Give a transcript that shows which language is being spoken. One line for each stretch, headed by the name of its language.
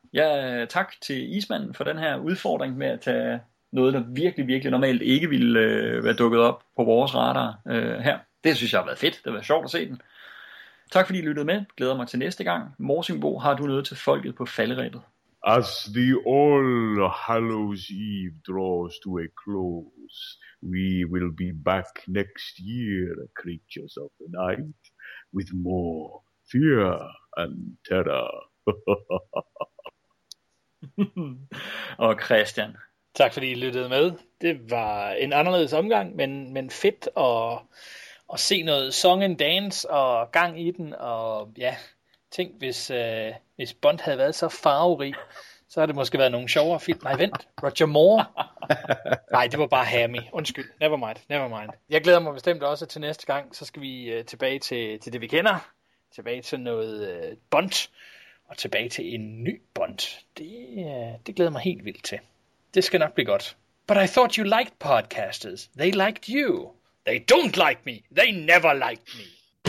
Danish: Ja, tak til Ismanden for den her udfordring med at tage noget, der virkelig, virkelig normalt ikke ville være dukket op på vores radar her. Det synes jeg har været fedt. Det var sjovt at se den. Tak fordi I lyttede med. Glæder mig til næste gang. Morsingbo, har du noget til folket på falderæbet?
English: As the All Hallows Eve draws to a close, we will be back next year, creatures of the night, with more fear and terror.
Danish: Og Christian. Tak fordi I lyttede med. Det var en anderledes omgang, men fedt at se noget
English: song and dance
Danish: og gang i den. Og ja, tænk hvis Bond havde været så farverig, så havde det måske været nogle sjovere film. Nej, vent. Roger Moore. Nej, det var bare Hammy. Undskyld.
English: Never mind.
Danish: Jeg glæder mig bestemt også til næste gang. Så skal vi tilbage til det, vi kender. Tilbage til noget Bond. Og tilbage til en ny Bond. Det glæder mig helt vildt til. Det skal nok blive godt.
English: But I thought you liked podcasters. They liked you. They don't like me. They never liked me.